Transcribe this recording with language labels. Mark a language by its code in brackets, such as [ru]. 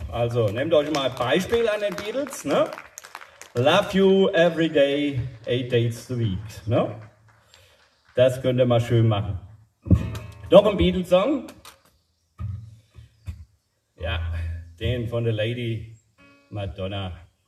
[de] Also, nehmt euch mal ein Beispiel an den Beatles. Ne? [en] Love you every day, 8 days a week. [de] Ne? Das könnt ihr mal schön machen. Noch ein Beatles-Song. Ja, den von der Lady Madonna.